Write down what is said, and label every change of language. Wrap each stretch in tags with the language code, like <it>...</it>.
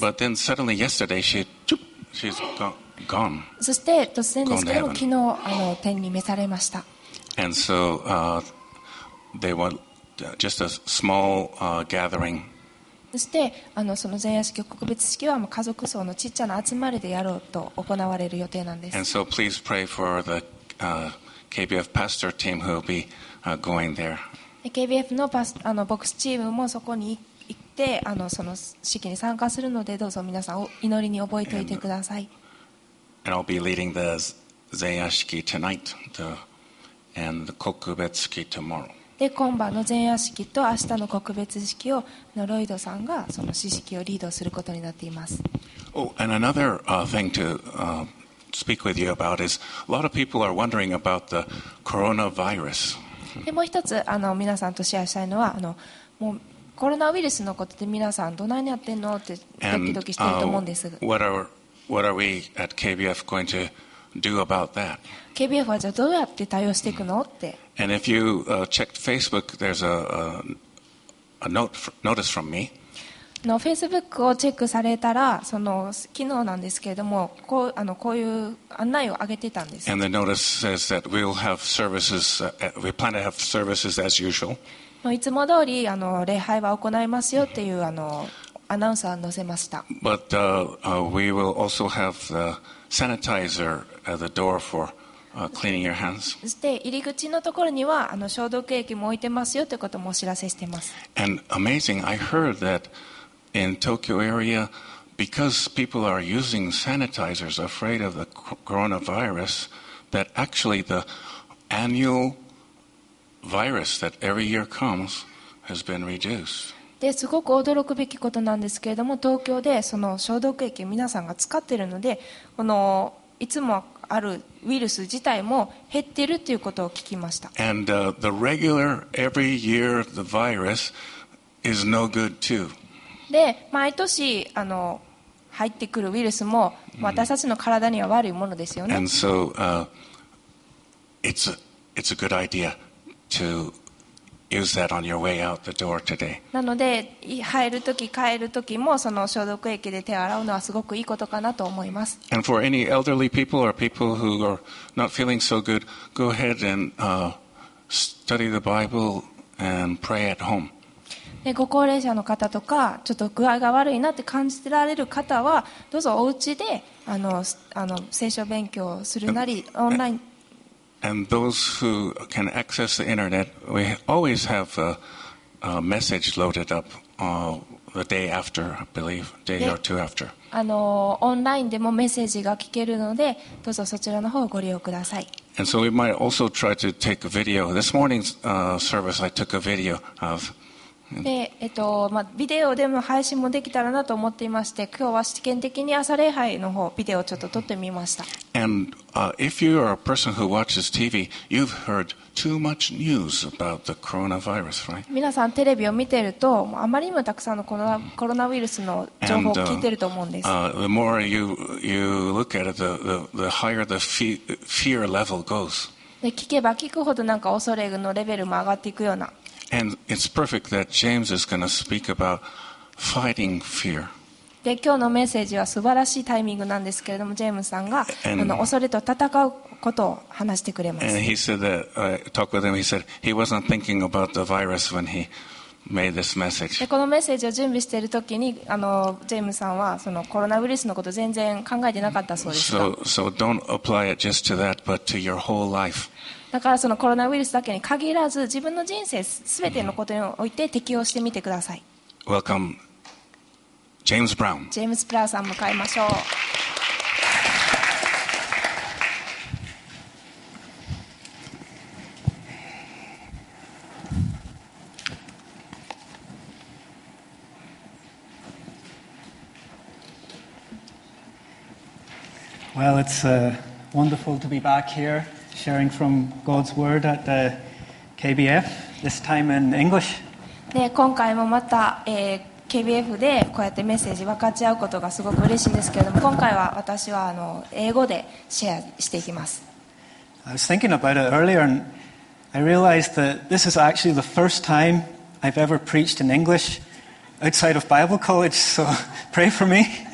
<ja>そして突然ですけども昨日天に召されました。そして彼らは小さな集まりそしてその前夜式告別式は家族葬のちっちゃな集まりでやろうと行われる予定なんです。</ja> <en>And so please pray for the, KBF pastor team who will be, going there.</en> <ja>KBF の牧師チームもそこに行ってその式に参加するのでどうぞ皆さん祈りに覚えておいてください。</ja> <en>And I'll be leading the 前夜式 tonight the, and the 告別式 tomorrow.</en> <ja>で今晩の前夜式と明日の告別式をロイドさんがその式をリードすることになっています。もう一つ皆さんとシェアしたいのはもうコロナウイルスのことで皆さんどないにやってんのってドキドキしてると思うんです。</ja> <en>What are we at KBF going to do about that?</en> <ja>KBF はじゃあどうやって対応していくのって</ja> <en>And if you, checked Facebook, there's a note notice from me.</en> <ja>の Facebook をチェックされたら、その昨日なんですけれども、こういう案内を上げてたんです。</ja> <en>And the notice says that we'll have services, we plan to have services as usual.</en> <ja>いつも通り礼拝は行いますよっていうアナウンサーを載せました。</ja> <en>But, we will also have the sanitizer at the door for. Cleaning your hands.</en> <ja>そして入り口のところには消毒液も置いてますよということもお知らせしています。</ja> <en>And amazing, I heard that in Tokyo area, because people are using sanitizers afraid of the coronavirus, that actually the annual virus that every year comes has been reduced.</en> <ja>ですごく驚くべきことなんですけれども、東京でその消毒液を皆さんが使っているので、このいつもあるウイルス自体も減っているということを聞きました。</ja> <en>And, the regular, every year, the virus is no good too.</en> <ja>で毎年入ってくるウイルスも私たちの体には悪いものですよね。</ja> <en>And so, it's a good idea to use that on your way out the door today.</en> <ja>なので入るとき帰るときもその消毒液で手を洗うのはすごくいいことかなと思います。</ja> <en>And for any elderly people or people who are not feeling so good, go ahead and, study the Bible and pray at home.</en> <ja>でご高齢者の方とかちょっと具合が悪いなって感じてられる方はどうぞお家で聖書勉強するなりオンライン</ja> <en>And those who can access the internet, we always have a message loaded up the day after, I believe, day or two after.</en> <ja>オンラインでもメッセージが聞けるので、どうぞそちらの方をご利用ください。</ja> <en>And so we might also try to take a video. This morning's service, I took a video of.</en> <ja>で、ビデオでも配信もできたらなと思っていまして、今日は試験的に朝礼拝の方ビデオをちょっと撮ってみました。</ja> <en>And if you are a person who watches TV, you've heard too much news about the coronavirus, right?</en> <ja>皆さんテレビを見てると、あまりにもたくさんのコロナウイルスの情報を聞いてると思うんです。</ja> <en>The more you look at it, the higher the fear level goes.</en> <ja>で、聞けば聞くほどなんか恐れのレベルも上がっていくような。</ja> <en>And it's perfect that James is going to speak about fighting fear.</en> <ja>で、今日のメッセージは素晴らしいタイミングなんですけれども、ジェームさんが恐れと戦うことを話してくれます。</ja> <en>And he said that, I talked with him, he said he wasn't thinking about the virus when he made this message.</en> <ja>で、このメッセージを準備しているときに、ジェームさんはそのコロナウイルスのこと全然考えてなかったそうですが。</ja> <en>So don't apply it just to that, but to your whole life.</en> <ja>だからそのコロナウイルスだけに限らず自分の人生すべてのことにおいて適応してみてください。</ja> <en>Welcome, James Brown.</en> <ja>ジェームズ・ブラウンさん迎えましょう。</ja> <en>Well, it's wonderful to be back here. Sharing from God's Word at the KBF, this time in English.</en> <ja>で、今回もまた、KBF でこうやってメッセージ分かち合うことがすごく嬉しいんですけれども、今回は私は英語でシェアしていきます。</ja> <en>I was thinking about it earlier and I realized that this is actually the first time I've ever preached in English outside of Bible college, so pray for me.</en>